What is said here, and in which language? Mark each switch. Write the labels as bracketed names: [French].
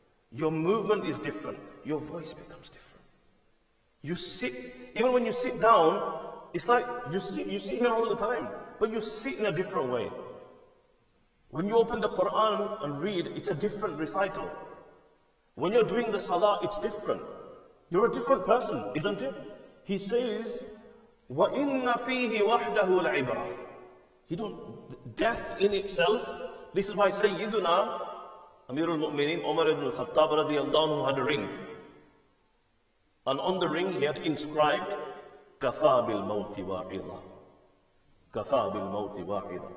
[English] Your movement is different. Your voice becomes different. You sit, even when you sit down, it's like you sit here all the time, but you sit in a different way. When you open the Quran and read, it's a different recital. When you're doing the salah, it's different. You're a different person, isn't it? He says, [Arabic] وَإِنَّ فِيهِ وَحْدَهُ الْعِبْرَةِ. [English] You don't, death in itself, this is why Sayyiduna, Amir al-Mu'mineen, Umar ibn al-Khattab radiallahu anhu, had a ring. And on the ring he had inscribed, [Arabic] كَفَى بِالْمَوْتِ وَعِظًا. كَفَى بِالْمَوْتِ وَعِظًا.